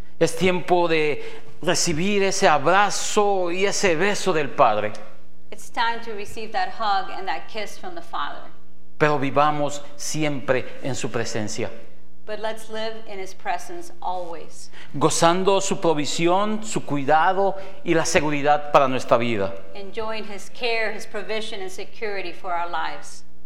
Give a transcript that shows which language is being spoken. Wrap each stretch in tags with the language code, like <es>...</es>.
<es>Es tiempo de recibir ese abrazo y ese beso del Padre.</es> <en>It's time to receive that hug and that kiss from the Father.</en> <es>Pero vivamos siempre en su presencia.</es> <en>But let's live in his presence always.</en> <es>Gozando su provisión, su cuidado y la seguridad para nuestra vida.</es> <en>Enjoying his care, his provision and security for our lives.</en>